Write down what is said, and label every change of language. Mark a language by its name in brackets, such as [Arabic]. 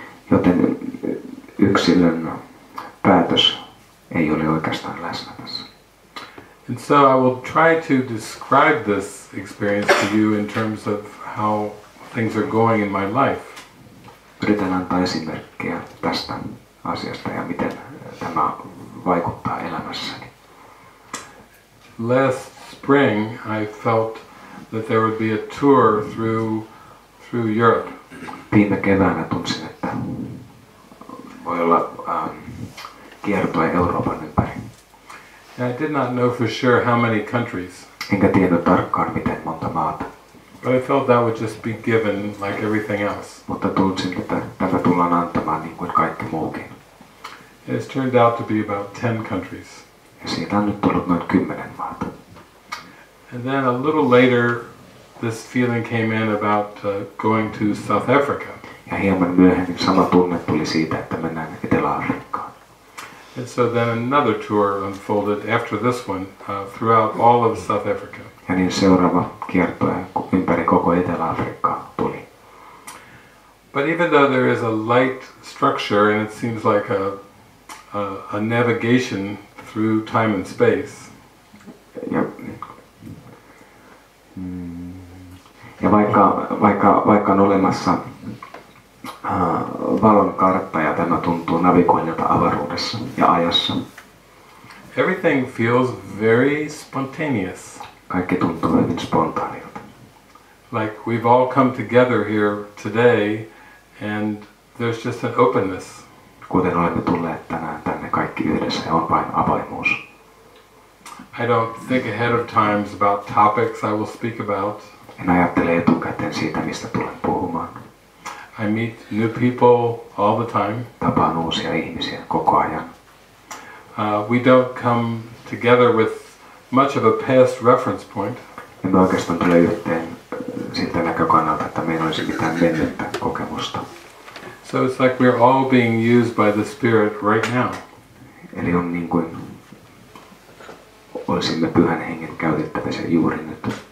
[Finnish] Joten yksilön päätös ei ole oikeastaan läsnä tässä. [English] And so I will try to describe this experience to you in terms of how things are going in my life. [Finnish] Yritän antaa esimerkkejä tästä asiasta ja miten tämä vaikuttaa elämässäni. [English] Last spring I felt that there would be a tour through Europe. [Finnish] Viime keväänä tunsin, että voi olla kiertoa Euroopan ympäri. [English] I did not know for sure how many countries. [Finnish] Enkä tiedä tarkkaan, miten monta maata. [English] But I felt that would just be given like everything else. [Finnish] Mutta tuntsin, että tätä tullaan antamaan niin kuin kaikki muukin. [English] It has turned out to be about 10 countries. [Finnish] Ja siitä on nyt tullut noin 10 maata. [English] And then a little later, this feeling came in about going to South Africa. [Finnish] Ja hieman myöhemmin sama tunne tuli siitä, että mennään Etelä-Afrikkaan. [English] And so then another tour unfolded after this one throughout all of South Africa. [Finnish] Ja niin seuraava kierto ympäri koko Etelä-Afrikkaa tuli. [English] But even though there is a light structure and it seems like a navigation through time and space. [Finnish] Ja, Ja vaikka on olemassa valon kartta ja tämä tuntuu navigoinnilta avaruudessa ja ajassa. [English] Everything feels very spontaneous. [Finnish] Kaikki tuntuu hyvin spontaanilta. [English] Like we've all come together here today and there's just an openness. [Finnish] Kuten olemme tulleet tänään tänne kaikki yhdessä ja on vain avoimuus. [English] I don't think ahead of times about topics I will speak about. [Finnish] En ajattele etukäteen siitä, mistä tulen puhumaan. [English] I meet new people all the time. [Finnish] Tapaan uusia ihmisiä koko ajan. [English] We don't come together with much of a past reference point. [Finnish] Emme oikeastaan tule yhteen siltä näkökannalta, että meillä olisi mitään mennyttä kokemusta. [English] So it's like we're all being used by the Spirit right now. [Finnish] Eli on niin kuin olisimme Pyhän Hengen käytettävissä juuri nyt.